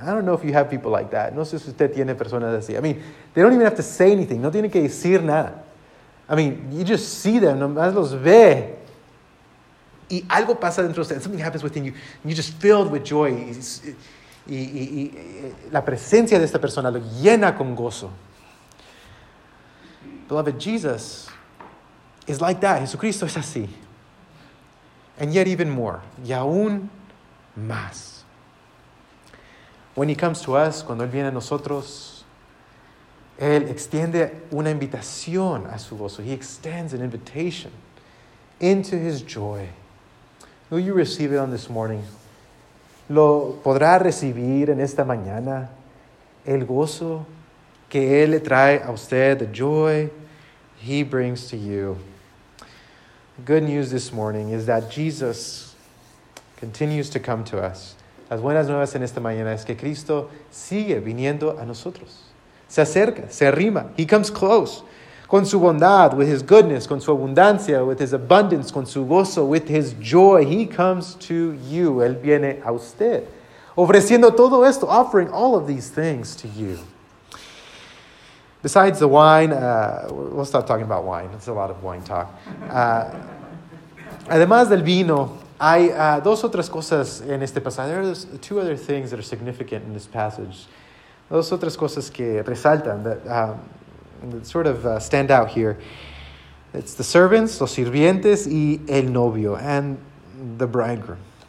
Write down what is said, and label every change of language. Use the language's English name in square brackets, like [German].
[English] I don't know if you have people like that. [Spanish] No sé si usted tiene personas así. [English] I mean, they don't even have to say anything. [Spanish] No tienen que decir nada. [English] I mean, you just see them, [Spanish] nomás los ve. Y algo pasa dentro de usted, [English] something happens within you, and you're just filled with joy. [Spanish] Y la presencia de esta persona lo llena con gozo. [English] Beloved, Jesus is like that. [Spanish] Jesucristo es así. [English] And yet even more. [Spanish] Y aún más. [English] When he comes to us, [Spanish] cuando él viene a nosotros, él extiende una invitación a su gozo. [English] He extends an invitation into his joy. Will you receive it on this morning? [Spanish] ¿Lo podrá recibir en esta mañana el gozo que él le trae a usted, [English] the joy he brings to you? Good news this morning is that Jesus continues to come to us. [Spanish] Las buenas nuevas en esta mañana es que Cristo sigue viniendo a nosotros. Se acerca, se arrima. [English] He comes close. [Spanish] Con su bondad, [English] with his goodness, [Spanish] con su abundancia, [English] with his abundance, [Spanish] con su gozo, [English] with his joy, he comes to you. [Spanish] Él viene a usted. Ofreciendo todo esto, [English] offering all of these things to you. Besides the wine, we'll stop talking about wine. It's a lot of wine talk. [Spanish] Además del vino, hay dos otras cosas en este pasaje. [English] There are two other things that are significant in this passage. [Spanish] Dos otras cosas que resaltan, [English] that sort of stand out here. It's the servants, [Spanish] los sirvientes, y el novio, [English] and the bridegroom.